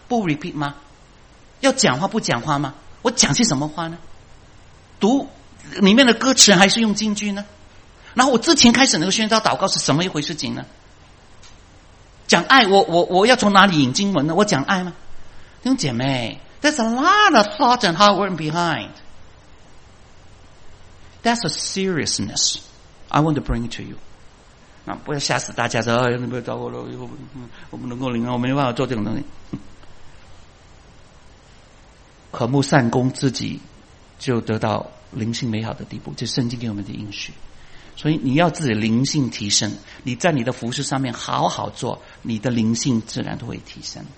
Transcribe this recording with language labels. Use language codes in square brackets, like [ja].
[zh] 不 repeat 吗？要讲话不讲话吗？我讲些什么话呢？读里面的歌词还是用金句呢？然后我之前开始那个宣召祷告是什么一回事情呢？讲爱，我要从哪里引经文呢？我讲爱吗？弟兄姐妹， [en] There's a lot of thought and hard work behind. That's a seriousness I want to bring to you. [zh] 那不要吓死大家说，你不要找我了，我不能够领啊，我没办法做这种东西。渴慕善功，自己就得到灵性美好的地步，这是圣经给我们的应许。所以你要自己灵性提升，你在你的服事上面好好做，你的灵性自然都会提升。